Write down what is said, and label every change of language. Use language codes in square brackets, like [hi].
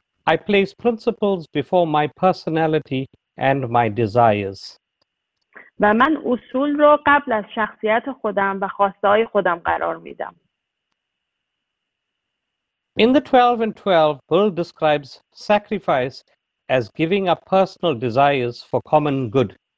[en] I place principles before my personality and my desires. [fa] و من اصول رو قبل از شخصیت خودم و خواسته های خودم قرار میدم. [en] In the 12 and 12, Bill describes sacrifice as giving up personal desires for common good.